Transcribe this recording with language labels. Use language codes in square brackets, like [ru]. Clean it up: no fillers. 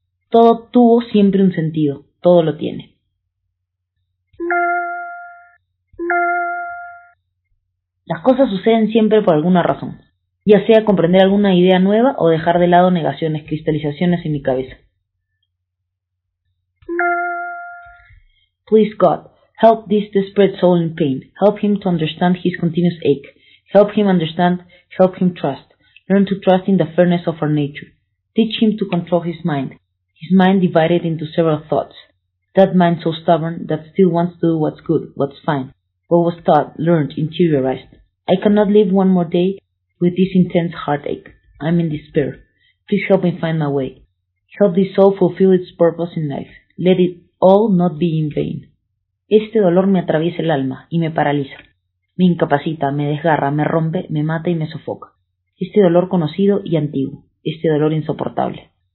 [es] Todo tuvo siempre un sentido, todo lo tiene. Las cosas suceden siempre por alguna razón, ya sea comprender alguna idea nueva o dejar de lado negaciones, cristalizaciones en mi cabeza. [en] Please God, help this desperate soul in pain. Help him to understand his continuous ache. Help him understand, help him trust. Learn to trust in the fairness of our nature. Teach him to control his mind divided into several thoughts. That mind so stubborn that still wants to do what's good, what's fine, what was taught, learned, interiorized. I cannot live one more day with this intense heartache. I'm in despair. Please help me find my way. Help this soul fulfill its purpose in life. Let it all not be in vain. [es] Este dolor me atraviesa el alma y me paraliza. Me incapacita, me desgarra, me rompe, me mata y me sofoca. Este dolor conocido y antiguo. Este dolor insoportable.